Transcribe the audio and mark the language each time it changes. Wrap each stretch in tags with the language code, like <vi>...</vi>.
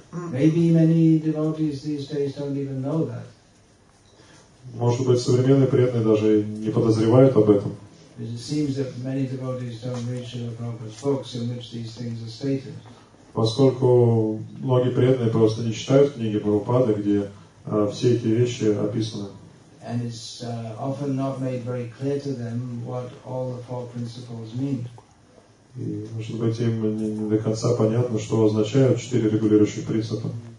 <en>Maybe many devotees these days don't even know that.</en> <ru>Может быть, современные преданные даже не подозревают об этом.</ru> <en>It seems that many devotees don't read Srila Prabhupada's books in which these things are stated.</en> <ru>Поскольку многие преданные просто не читают книги Прабхупады, где все эти вещи описаны.</ru> <en>And it's often not made very clear to them what all the four principles mean.</en> <ru>И, может быть, им не до конца понятно, что означают четыре регулирующих принципа.</ru>